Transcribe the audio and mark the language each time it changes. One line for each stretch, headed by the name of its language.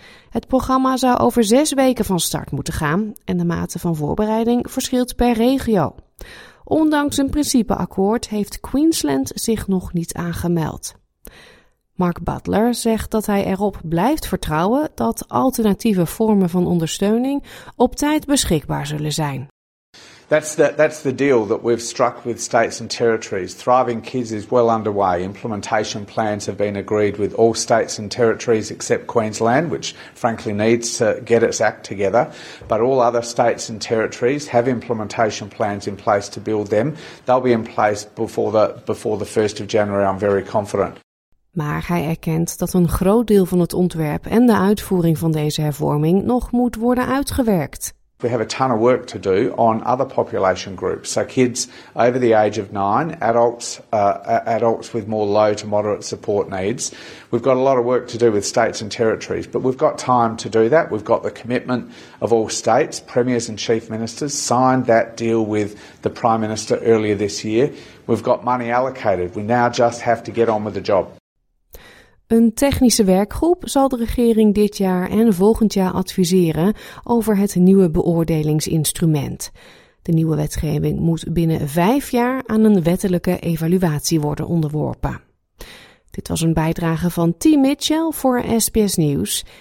Dutch: Het programma zou over 6 weken van start moeten gaan en de mate van voorbereiding verschilt per regio. Ondanks een principeakkoord heeft Queensland zich nog niet aangemeld. Mark Butler zegt dat hij erop blijft vertrouwen dat alternatieve vormen van ondersteuning op tijd beschikbaar zullen zijn.
English: That's the deal that we've struck with states and territories. Thriving Kids is well underway. Implementation plans have been agreed with all states and territories except Queensland, which frankly needs to get its act together. But all other states and territories have implementation plans in place to build them. They'll be in place before the 1st of January, I'm very confident.
Dutch: Maar hij erkent dat een groot deel van het ontwerp en de uitvoering van deze hervorming nog moet worden uitgewerkt.
English: We have a ton of work to do on other population groups. So kids over the age of 9, adults with more low to moderate support needs. We've got a lot of work to do with states and territories, but we've got time to do that. We've got the commitment of all states. Premiers and chief ministers signed that deal with the Prime Minister earlier this year. We've got money allocated. We now just have to get on with the job.
Dutch: Een technische werkgroep zal de regering dit jaar en volgend jaar adviseren over het nieuwe beoordelingsinstrument. De nieuwe wetgeving moet binnen 5 jaar aan een wettelijke evaluatie worden onderworpen. Dit was een bijdrage van Tim Mitchell voor SBS Nieuws.